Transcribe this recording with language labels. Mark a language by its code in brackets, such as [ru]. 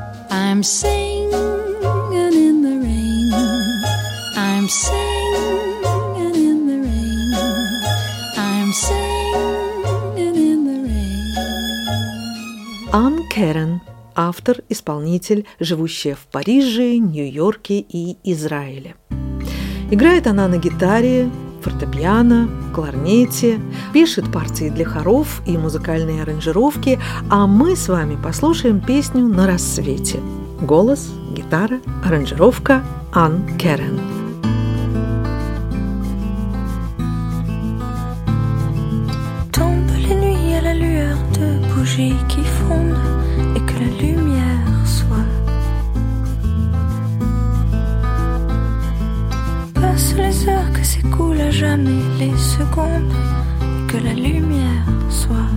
[en] I'm singing in the rain, I'm singing in the rain, I'm singing in the rain. I'm Karen. [ru] Автор, исполнитель, живущая в Париже, Нью-Йорке и Израиле. Играет она на гитаре, фортепиано, кларнете, пишет партии для хоров и музыкальные аранжировки, а мы с вами послушаем песню «На рассвете». Голос, гитара, аранжировка Ан Керен. [fr] Tombe les nuits à la lueur de bougies qui fondent et que la lumière soit. Passe les heures que s'écoulent à jamais les secondes et que la lumière soit.